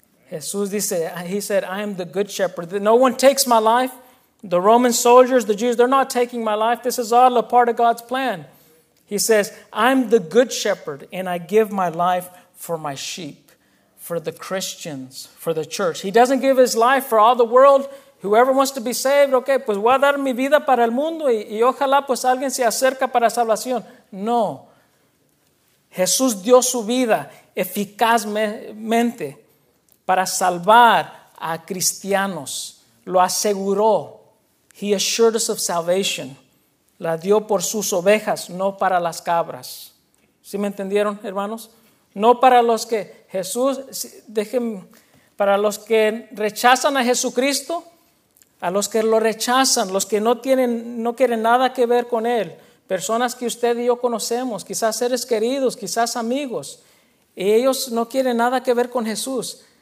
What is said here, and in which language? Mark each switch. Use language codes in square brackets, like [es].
[es] Jesús dice, [en] he said, I am the good shepherd. No one takes my life. The Roman soldiers, the Jews, they're not taking my life. This is all a part of God's plan. He says, I'm the good shepherd and I give my life for my sheep, for the Christians, for the church. He doesn't give his life for all the world. Whoever wants to be saved, okay, [es] pues voy a dar mi vida para el mundo y ojalá pues alguien se acerca para salvación. No. Jesús dio su vida eficazmente para salvar a cristianos. Lo aseguró. [en] He assured us of salvation. [es] La dio por sus ovejas, no para las cabras. ¿Sí me entendieron, hermanos? No para los que Jesús, déjenme, para los que rechazan a Jesucristo, a los que lo rechazan, los que no quieren nada que ver con él, personas que usted y yo conocemos, quizás seres queridos, quizás amigos, y ellos no quieren nada que ver con Jesús.